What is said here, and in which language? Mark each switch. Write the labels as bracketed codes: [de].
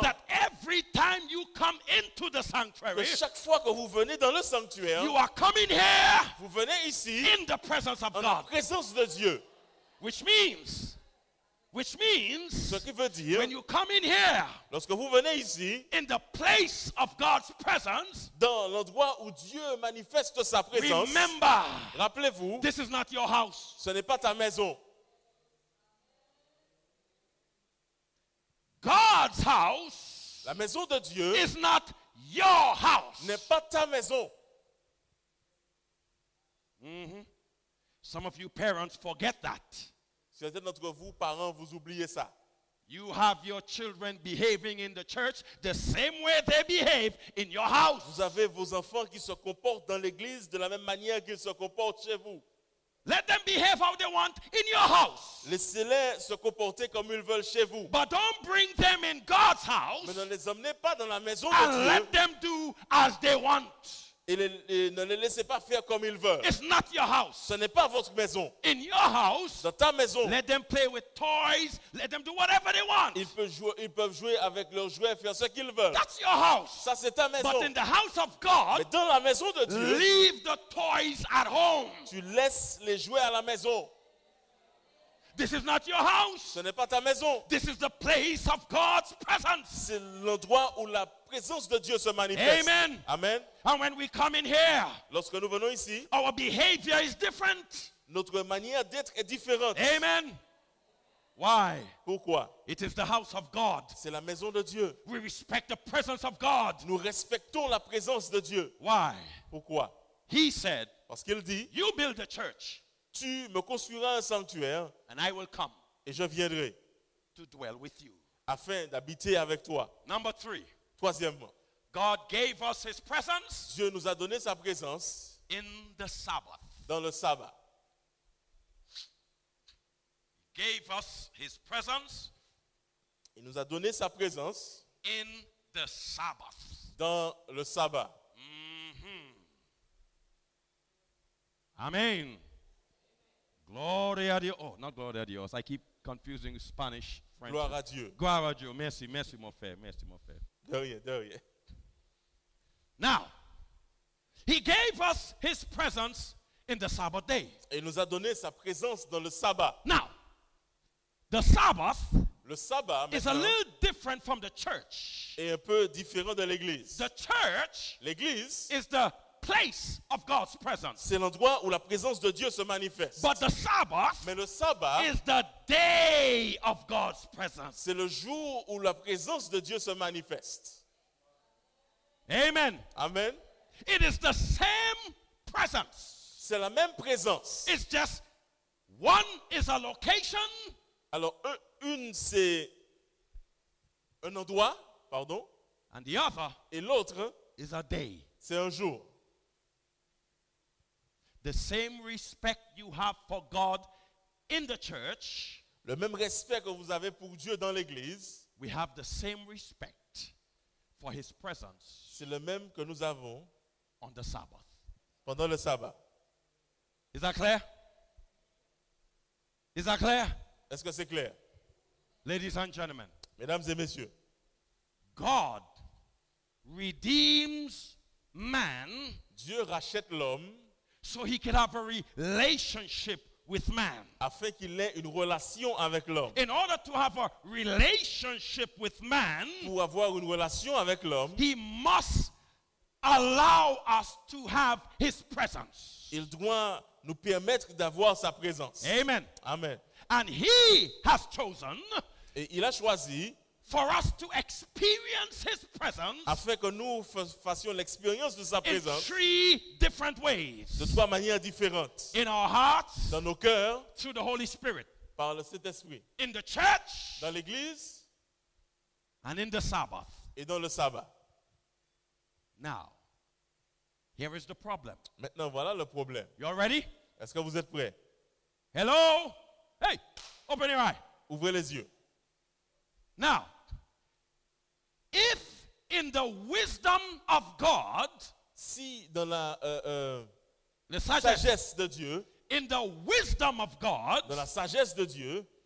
[en] that every time you come into the sanctuary, [fr] que chaque fois que vous venez dans le sanctuaire, [en] you are coming here, [fr] vous venez ici, [en] in the presence of [fr] en la présence de Dieu. [en] Which means, [fr] ce qui veut dire, [en] when you come in here, [fr] lorsque vous venez ici, [en] in the place of God's presence, [fr] dans l'endroit où Dieu manifeste sa présence, [en] remember, [fr] rappelez-vous, [en] this is not your house. [fr] Ce n'est pas ta maison. [en] God's house, [fr] la maison de Dieu, [en] is not your house. [fr] N'est pas ta maison. [en] Some of you parents forget that. [fr] Certains d'entre vous, parents, vous oubliez ça. [en] You have your children behaving in the church the same way they behave in your house. [fr] Vous avez vos enfants qui se comportent dans l'église de la même manière qu'ils se comportent chez vous. [en] Let them behave how they want in your house. [fr] Laissez-les se comporter comme ils veulent chez vous. [en] But don't bring them in God's house. [fr] Mais ne les emmenez pas dans la maison de Dieu. [en] And let them do as they want. [fr] Et ne les laissez pas faire comme ils veulent. [en] It's not your house. [fr] Ce n'est pas votre maison. [en] In your house, [fr] dans ta maison, [en] let them play with toys, let them do whatever they want. [fr] Ils peuvent jouer avec leurs jouets, faire ce qu'ils veulent. [en] That's your house. [fr] Ça, c'est ta maison. [en] But in the house of God, [fr] mais dans la maison de Dieu, [en] leave the toys at home. [fr] Tu laisses les jouets à la maison. [en] This is not your house. [fr] Ce n'est pas ta maison. [en] This is the place of God's presence. [fr] C'est l'endroit où la présence de Dieu se manifeste. Amen. Amen. [en] And when we come in here, [fr] lorsque nous venons ici, [en] our behavior is different. [fr] Notre manière d'être est différente. [en] Amen. Why? [fr] Pourquoi? [en] It is the house of God. [fr] C'est la maison de Dieu. [en] We respect the presence of God. [fr] Nous respectons la présence de Dieu. [en] Why? [fr] Pourquoi? [en] He said, [fr] parce qu'il dit, [en] you build a church. [fr] Tu me construiras un sanctuaire. [en] And I will come. [fr] Et je viendrai. [en] To dwell with you. [fr] Afin d'habiter avec toi. [en] Number three. [fr] Troisièmement. [en] God gave us his presence. [fr] Dieu nous a donné sa présence. [en] In the Sabbath. [fr] Dans le sabbat. [en] He gave us his presence. [fr] Il nous a donné sa présence. [en] In the Sabbath. [fr] Dans le sabbat. Mm-hmm. [es] Amen. Gloria a Dios. [en] Oh, not [es] gloria a Dios. [en] I keep confusing Spanish, French. [fr] Gloire à Dieu. Gloire à Dieu. Merci, merci, mon frère. Merci, mon frère. De rien, de rien. [en] Now, he gave us his presence in the Sabbath day. [fr] Il nous a donné sa présence dans le sabbat. [en] Now, the Sabbath, [fr] le sabbat [en] is a little different from the church. [fr] Est un peu différent de l'église. [en] The church, [fr] l'église, [en] is the place of God's presence. [fr] C'est l'endroit où la présence de Dieu se manifeste. [en] But the Sabbath, [fr] mais le sabbat, [en] is the day of God's presence. [fr] C'est le jour où la présence de Dieu se manifeste. Amen. Amen. [en] It is the same presence. [fr] C'est la même présence. [en] It's just one is a location. [fr] Alors une c'est un endroit, pardon. [en] And the other, [fr] et l'autre [en] is a day. [fr] C'est un jour. [en] The same respect you have for God in the church. [fr] Le même respect que vous avez pour Dieu dans l'église. [en] We have the same respect for his presence. [fr] C'est le même que nous avons [en] on the Sabbath. [fr] Pendant le sabbat. [en] Is that clear? Is that clear? [fr] Est-ce que c'est clair? [en] Ladies and gentlemen. [fr] Mesdames et messieurs. [en] God redeems man. [fr] Dieu rachète l'homme. [en] So he can have a relationship with man. [fr] Afin qu'il ait une relation avec l'homme. [en] In order to have a relationship with man, [fr] pour avoir une relation avec l'homme, [en] he must allow us to have his presence. [fr] Il doit nous permettre d'avoir sa présence. Amen. Amen. [en] And he has chosen. [fr] Et il a choisi. [en] For us to experience his presence, [fr] afin que nous fassions l'expérience de sa présence, [en] in three different ways, [fr] de trois manières différentes, [en] in our hearts, [fr] dans nos cœurs, [en] through the Holy Spirit, [fr] par le Saint-Esprit, [en] in the church, [fr] dans l'église, [en] and in the Sabbath, [fr] et dans le sabbat. [en] Now, here is the problem. [fr] Maintenant, voilà le problème. [en] You're ready? [fr] Est-ce que vous êtes prêts? [en] Hello? Hey, open your eyes. [fr] Ouvrez les yeux. [en] Now, if in the wisdom of God, [fr] si dans la sagesse de Dieu, [en] in the wisdom of God, [fr] dans la sagesse de Dieu,